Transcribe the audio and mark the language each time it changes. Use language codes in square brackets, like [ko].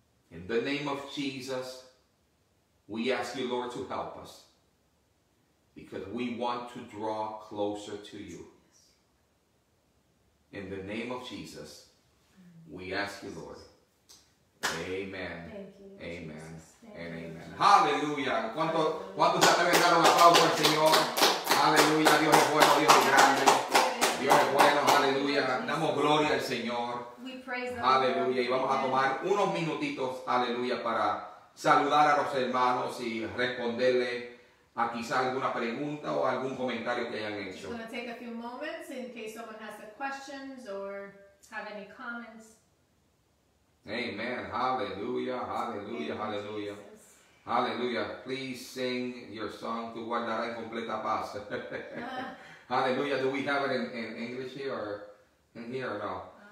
[en] In the name of Jesus, we ask you, Lord, to help us. Because we want to draw closer to you. In the name of Jesus, we ask you, Lord. Amen. Thank you, amen. Thank and amen. Hallelujah. [es] ¿Cuántos se atreven a dar un aplauso al Señor? Hallelujah. Dios es bueno, Dios es grande. Dios es bueno, hallelujah. Damos gloria al Señor. [en] We praise the [es] aleluya, Y vamos a tomar unos minutitos, aleluya, para saludar a los hermanos y responderle a quizá alguna pregunta o algún comentario que hayan hecho. [en] I'm going to take a few moments in case someone has the questions or have any comments. Amen, aleluya, aleluya, aleluya. Aleluya, please sing your song, [es] Tu guardarás en completa paz. [en] Aleluya, do we have it in English here or in here or no?